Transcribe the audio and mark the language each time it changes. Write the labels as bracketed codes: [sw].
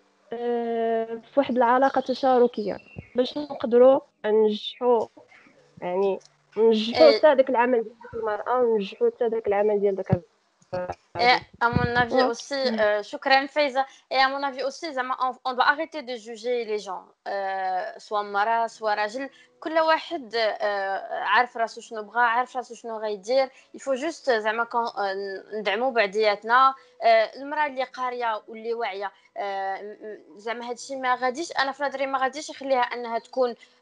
[ar] في واحد العلاقة تشاركية باش نقدروا ننجحوا، يعني ننجحوا حتى داك العمل ديال المرأة وننجحوا حتى داك العمل ديال داك الرجل. [fr] Et à mon avis aussi, choukran Faiza. Et à mon avis aussi, on doit arrêter de juger les gens. Soit mara, soit rajil. [ar] كل واحد عارف راسو شنو بغا عارف راسو شنو غيدير يفو جوست زعما ندعمو بعضياتنا المراه اللي قاريه واللي واعيه زعما هادشي ما غاديش انا فنظري ما غاديش يخليها انها تكون